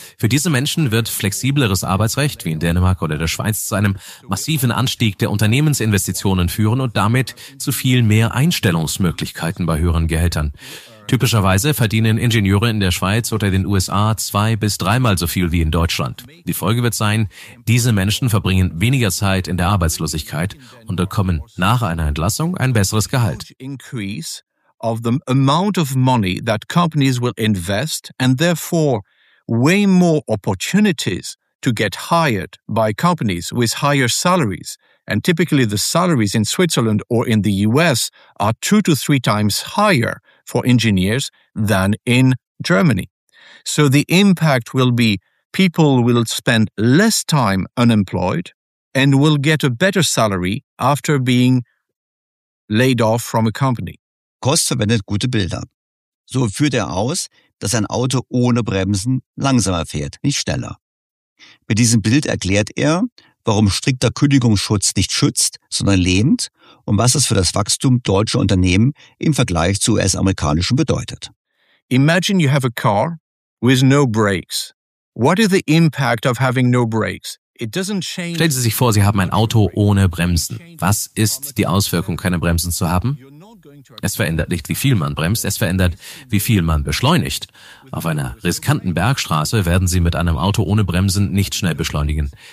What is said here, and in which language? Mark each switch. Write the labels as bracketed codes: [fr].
[de] Für diese Menschen wird flexibleres Arbeitsrecht, wie in Dänemark oder der Schweiz, zu einem massiven Anstieg der Unternehmensinvestitionen führen und damit zu viel mehr Einstellungsmöglichkeiten bei höheren Gehältern. Typischerweise verdienen Ingenieure in der Schweiz oder den USA 2- bis 3-mal so viel wie in Deutschland. Die Folge wird sein, diese Menschen verbringen weniger Zeit in der Arbeitslosigkeit und bekommen nach einer Entlassung ein besseres Gehalt. [en] Increase of the amount of money that companies will invest and therefore way more opportunities to get hired by companies with higher salaries. And typically the salaries in Switzerland or in the US are 2 to 3 times higher for engineers than in Germany. So the impact will be people will spend less time unemployed and will get a better salary after being laid off from a company. [de] Kost verwendet gute Bilder. So führt er aus, dass ein Auto ohne Bremsen langsamer fährt, nicht schneller. Mit diesem Bild erklärt er, warum strikter Kündigungsschutz nicht schützt, sondern lähmt und was es für das Wachstum deutscher Unternehmen im Vergleich zu US-amerikanischen bedeutet. [en] Imagine you have a car with no brakes. What is the impact of having no brakes? [de] Stellen Sie sich vor, Sie haben ein Auto ohne Bremsen. Was ist die Auswirkung, keine Bremsen zu haben? Es verändert nicht, wie viel man bremst, es verändert, wie viel man beschleunigt. Auf einer riskanten Bergstraße werden Sie mit einem Auto ohne Bremsen nicht schnell beschleunigen.